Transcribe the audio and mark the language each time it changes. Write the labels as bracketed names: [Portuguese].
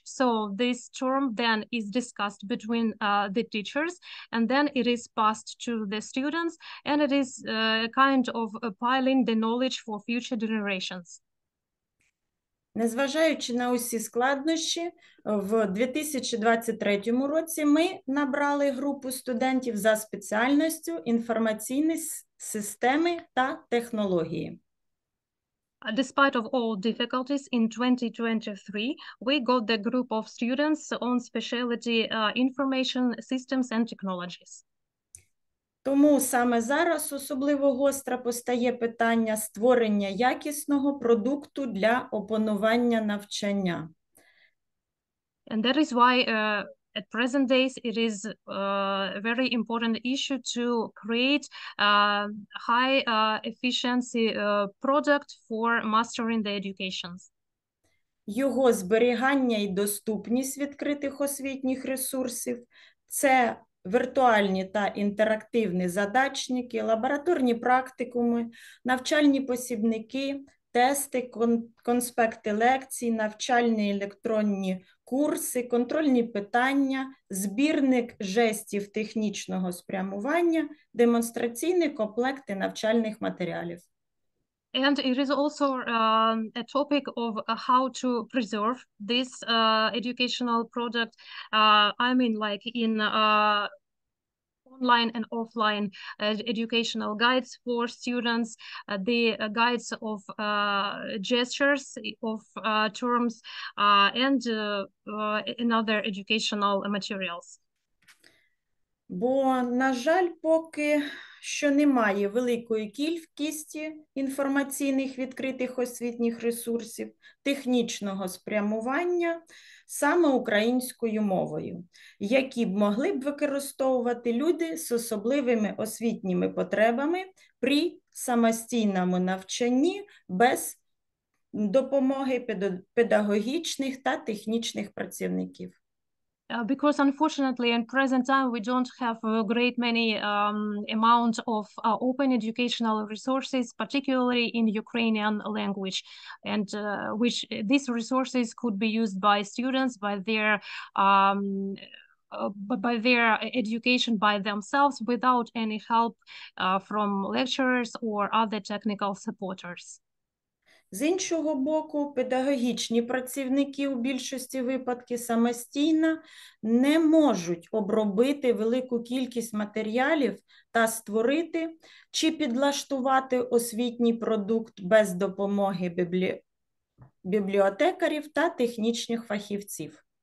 [English] So this term then is discussed between the teachers and then it is passed to the students and it is a kind of piling the knowledge for future generations. [Ukrainian] Незважаючи на усі складнощі, в 2023 році ми набрали групу студентів за спеціальністю інформаційні системи та технології. [English] Despite of all difficulties in 2023, we got the group of students on specialty information systems and technologies. [Ukrainian] Тому саме зараз особливо гостро постає питання створення якісного продукту для опанування навчання. [English] And that is why at present days it is a very important issue to create a high efficiency product for mastering the educations. [Ukrainian] Його зберігання і доступність відкритих освітніх ресурсів – це віртуальні та інтерактивні задачники, лабораторні практикуми, навчальні посібники, тести, конспекти лекцій, навчальні електронні курси, контрольні питання, збірник жестів технічного спрямування, демонстраційні комплекти навчальних матеріалів. [English] And it is also a topic of how to preserve this educational product, I mean like in online and offline educational guides for students, the guides of gestures of terms and in other educational materials. [Ukrainian] Бо, на жаль, поки що немає великої кількості інформаційних відкритих освітніх ресурсів технічного спрямування саме українською мовою, які б могли б використовувати люди з особливими освітніми потребами при самостійному навчанні без допомоги педагогічних та технічних працівників. [English] Because unfortunately, in present time, we don't have a great many amount of open educational resources, particularly in Ukrainian language, and which these resources could be used by students by their education by themselves without any help from lecturers or other technical supporters. [Ukrainian] З іншого боку, педагогічні працівники у більшості випадків самостійно не можуть обробити велику кількість матеріалів та створити чи підлаштувати освітній продукт без допомоги бібліотекарів та технічних фахівців.